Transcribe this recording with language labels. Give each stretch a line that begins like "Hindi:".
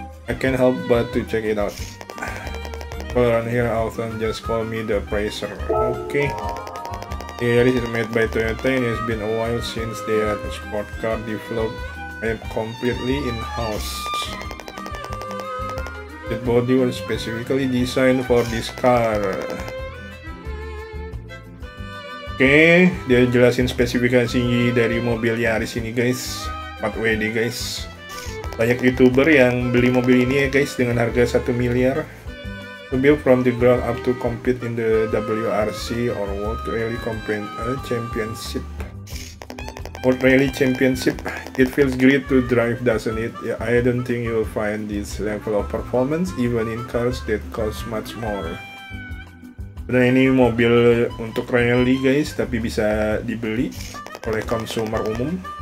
English: I can't help but to check it out. People around here often just call me the appraiser. Oke. Okay. Yeah, this is made by Toyota and it's been a while since they had a sport car developed and completely in-house. The body was specifically designed for this car.
Indonesian: Oke, dia jelasin spesifikasi dari mobil Yaris ini guys. 4WD guys. Banyak YouTuber yang beli mobil ini ya guys dengan harga 1 miliar.
English: To build from the ground up to compete in the WRC or World Rally Championship. World Rally Championship, it feels great to drive, doesn't it? Yeah, I don't think you'll find this level of performance even in cars that cost much more.
Indonesian: Nah, ini mobil untuk rally guys, tapi bisa dibeli oleh konsumer umum.